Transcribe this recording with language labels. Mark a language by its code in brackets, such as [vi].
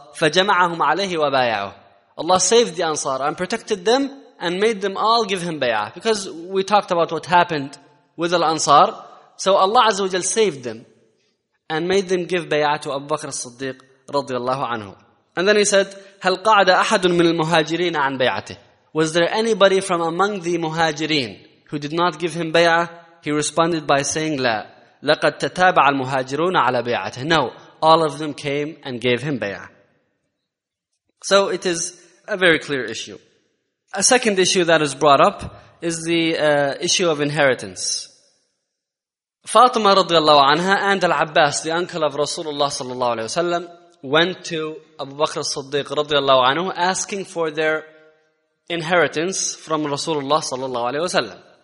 [ar] فجمعهم عليه وبايعوه. [en] Allah saved the Ansar and protected them and made them all give him bay'ah. Because we talked about what happened with Al-Ansar. So Allah Azza wa Jal saved them and made them give bay'ah to Abu Bakr as-Siddiq radiallahu anhu. And then he said, [ar] هَلْ قَعْدَ أَحَدٌ مِنَ الْمُهَاجِرِينَ عَنْ بَيْعَتِهِ? [en] Was there anybody from among the muhajirin who did not give him bay'ah? He responded by saying, [ar] لَا لَقَدْ تَتَابَعَ الْمُهَاجِرُونَ عَلَى بَيْعَتِهِ. [en] No, all of them came and gave him bay'ah. So it is a very clear issue. A second issue that is brought up is the issue of inheritance. Fatima radiallahu anha and Al-Abbas, the uncle of Rasulullah sallallahu alayhi wa sallam, went to Abu Bakr as-Siddiq radiallahu anhu asking for their inheritance from Rasulullah sallallahu alayhi wa sallam.